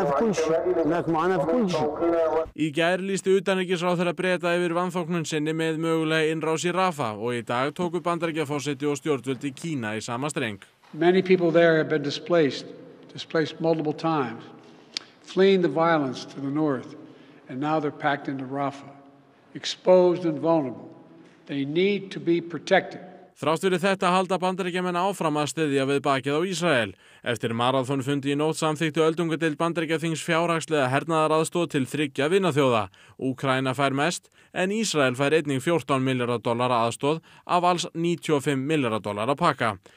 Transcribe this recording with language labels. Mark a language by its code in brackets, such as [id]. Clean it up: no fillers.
[is] Í gær lýsti utanríkisráðherra Breta yfir vanþóknun sinni með mögulega innrás í Rafa og í dag tóku Bandaríkjaforseti og stjórnvöld í Kína í sama streng. [en] Many people there have been displaced multiple times, fleeing the violence to the north. And now they're packed into Rafah, exposed and vulnerable. They need to be protected. [is] Þrátt fyrir þetta halda Bandaríkjamenn áfram að styðja við bakið á Ísrael. Eftir marathónfundi í nótt samþykktu öldungadeild Bandaríkjaþings fjárhagslega hernaðaraðstoð til 3 vinaþjóða. Úkraína fær mest, en Ísrael fær einnig 14 milljarða dollara aðstoð af alls 95 milljarða dollara pakka.